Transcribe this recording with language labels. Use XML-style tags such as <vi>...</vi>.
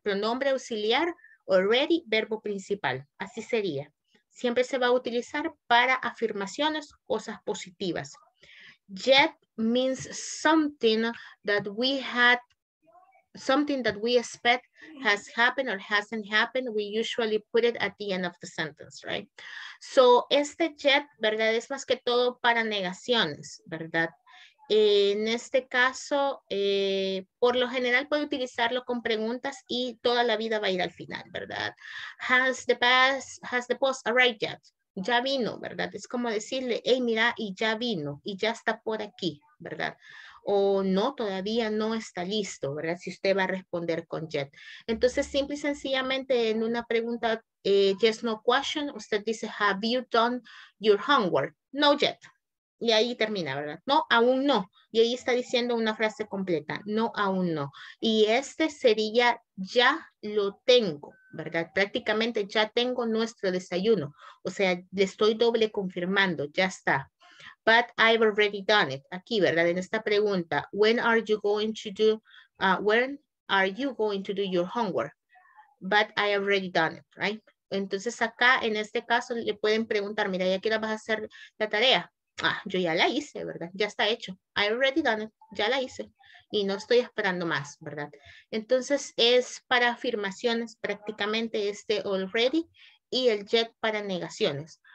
<es>Pronombre auxiliar, already, verbo principal. Así sería. Siempre se va a utilizar para afirmaciones, cosas positivas.</es> <en>Yet means something that we had. Something that we expect has happened or hasn't happened, we usually put it at the end of the sentence, right?</en> <es>So, este yet, ¿verdad? Es más que todo para negaciones, ¿verdad? En este caso, por lo general puede utilizarlo con preguntas y toda la vida va a ir al final, ¿verdad?</es> <en>Has the bus arrived yet?</en> <es>Ya vino, ¿verdad? Es como decirle, hey, mira, y ya vino, y ya está por aquí, ¿verdad? O no, todavía no está listo, ¿verdad? Si usted va a responder con yet. Entonces, simple y sencillamente en una pregunta,</es> <en>yes, no question,</en> <es>usted dice,</es> <en>have you done your homework? No yet.</en> <es>Y ahí termina, ¿verdad? No, aún no. Y ahí está diciendo una frase completa. No, aún no. Y este sería ya lo tengo, ¿verdad? Prácticamente ya tengo nuestro desayuno. O sea, le estoy doble confirmando. Ya está.</es> <en>But I've already done it.</en> <es>Aquí, ¿verdad? En esta pregunta.</es> <en>When are you going to do, when are you going to do your homework? But I've already done it, right?</en> <es>Entonces acá, en este caso, le pueden preguntar, mira, ¿ya qué hora vas a hacer la tarea? Ah, yo ya la hice, ¿verdad? Ya está hecho.</es> <en>I've already done it.</en> <es>Ya la hice. Y no estoy esperando más, ¿verdad? Entonces es para afirmaciones prácticamente este already y el yet para negaciones.</es>